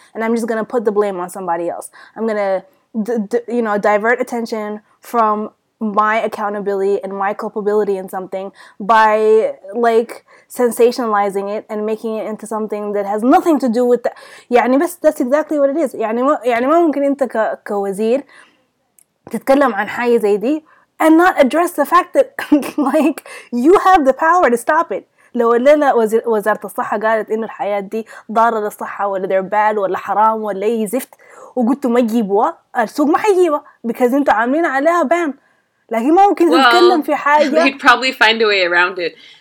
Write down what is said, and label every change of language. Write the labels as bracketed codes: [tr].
[en] And I'm just going to put the blame on somebody else. I'm going to, divert attention from my accountability and my culpability in something by, like, sensationalizing it and making it into something that has nothing to do with that. [ar] يعني بس [en] that's exactly what it is. [ar] يعني ما ممكن انت كوزير تتكلم عن حاجة زي دي [en] and not address the fact that, like, you have the power to stop it. [ar] لو لا لا وزارة الصحة قالت إن الحياة دي ضارة للصحة ولا [en] they're bad [ar] ولا حرام ولا أي زفت وقلتوا ما يجيبوها السوق ما حيجيبها because انتوا عاملين عليها ban. [en] Like, he'd probably find a way around it.